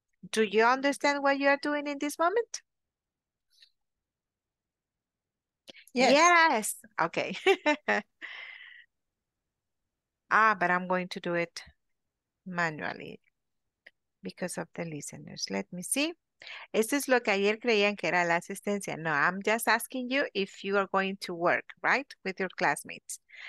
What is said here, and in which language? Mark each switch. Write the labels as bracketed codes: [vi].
[en] Do you understand what you are doing in this moment? Yes. Okay. but I'm going to do it manually because of the listeners. Let me see. [es] Esto es lo que ayer creían que era la asistencia. [en] No, I'm just asking you if you are going to work, right, with your classmates.